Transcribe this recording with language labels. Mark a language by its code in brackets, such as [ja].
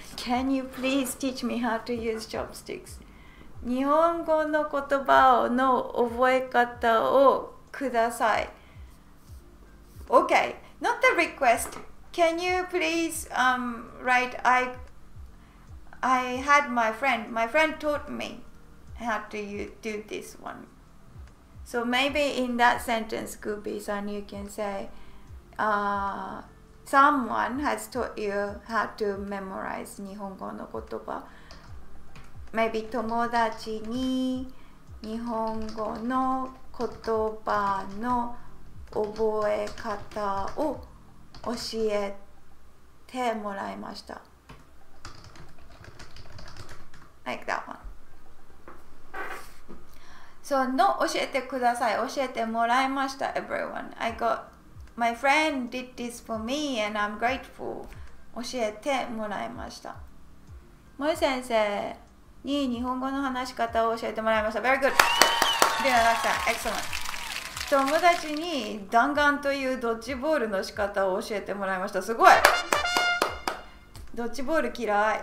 [en] Can you please teach me how to use chopsticks? [ja] 日本語の言葉の覚え方をください。 [en] Okay, not the request. Can you please write, I had my friend taught me how to do this one. So maybe in that sentence, Gooby-san, you can say, someone has taught you how to memorize [ja] 日本語の言葉. [en] Maybe [ja] 友達に日本語の言葉の覚え方を教えてもらいました。 [en] like that one. So, no, [ja] 教えてください。教えてもらいました、 [en] everyone. I got, my friend did this for me and I'm grateful. [ja] 教えてもらいました。萌先生に日本語の話し方を教えてもらいました。 [en] Very good. [ja] では、なさん、 [en] excellent. [ja] 友達に弾丸というドッジボールの仕方を教えてもらいました。すごい。ドッジボール嫌い。